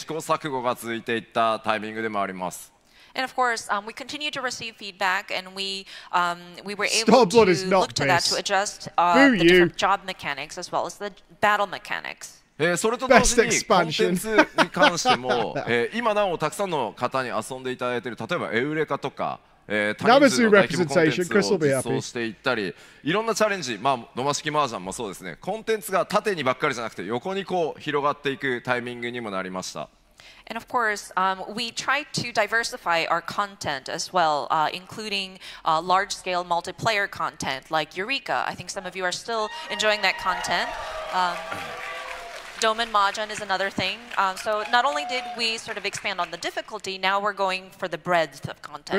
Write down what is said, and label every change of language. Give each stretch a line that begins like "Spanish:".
Japanese: まあ、ここは本当にたくさんのフィードバックをいただいて、まあ、ジョブのメカニクス、それからバトルコンテンツのメカニクスというところもかなり発展、試行錯誤が続いていったタイミングでもあります。
English: And of course, we continue to receive feedback, and we were able to look to that to adjust the different job mechanics as well as the battle mechanics.
Japanese: それと同時にコンテンツに関しても今なお、たくさんの方に遊んでいただいている、例えばエウレカとか、ナムズ representation、クリスを be happy。そうしていったり、いろんなチャレンジ、まあ、ノマシキマージャンもそうですね、コンテンツが縦にばっかりじゃなくて横にこう広がっていくタイミングにもなりました。
English: And of course, we try to diversify our content as well, including large-scale multiplayer content like Eureka. I think some of you are still enjoying that content. Domen Mahjong is another thing. So not only did we sort of expand on the difficulty, now we're going for the breadth of content.